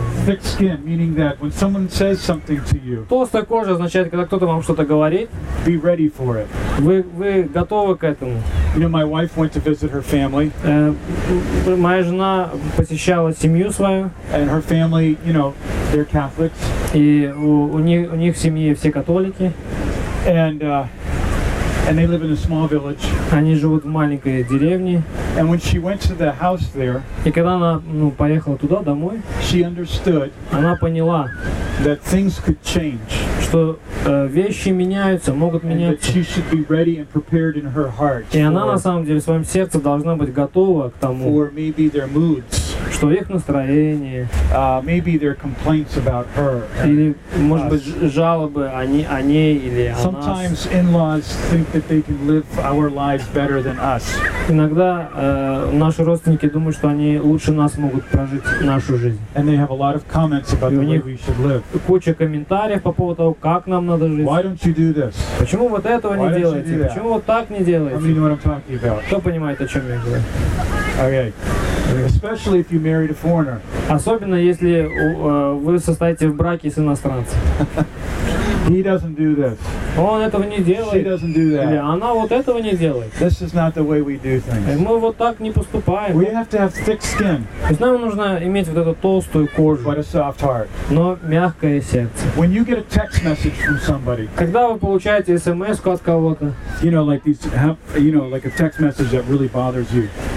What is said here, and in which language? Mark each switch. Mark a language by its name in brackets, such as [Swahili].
[English] Thick skin, meaning that when someone says something to you. [Russian] Толстая кожа означает, когда кто-то вам что-то говорит. [English] Be ready for it. [Russian] Вы готовы к этому? [English] You know, my wife went to visit her family. [Russian] Моя жена посещала семью свою. [English] And her family, you know, they're Catholics. [Russian] И у них в семье все католики. [English] And they live in a small village. [Russian] Они живут в маленькой деревне. [English] And when she went to the house there, [Russian] и когда она, поехала туда домой, [English] she understood, [Russian] она поняла, [English] that things could change, [Russian] что вещи меняются, могут меняться. [English] And that she should be ready and prepared in her heart. [Russian] И она на самом деле в своем сердце должна быть готова к тому. [English] For maybe their moods. [Russian] Что их настроение. [English] Maybe their complaints about her. [Russian] Или, может быть, жалобы о ней или о нас. [English] Sometimes in-laws think that they can live our lives better than us. [Russian] Иногда наши родственники думают, что они лучше нас могут прожить нашу жизнь. [English] And they have a lot of comments about the way we should live. [Russian] И у них куча комментариев по поводу того, как нам надо жить. [English] Why don't you do this? [Russian] Почему вот этого не делаете? Почему вот так не делаете? [English] I mean, what I'm talking about. [Russian] Кто понимает, о чем я говорю? [English] Okay. Especially if you married a foreigner. [Russian] Особенно если вы состоите в браке с иностранцем. [English] He doesn't do this. [Russian] Он этого не делает. [English] She doesn't do that. [Russian] Или она вот этого не делает. [English] This is not the way we do things. [Russian] Мы вот так не поступаем. [English] We have to have thick skin. [Russian] То есть нам нужно иметь вот эту толстую кожу. [English] But a soft heart. [Russian] Но мягкое сердце. [English] When you get a text message from somebody. [Russian] Когда вы получаете смс от кого-то. [English] You know, like these, you know, like a text message that really bothers you.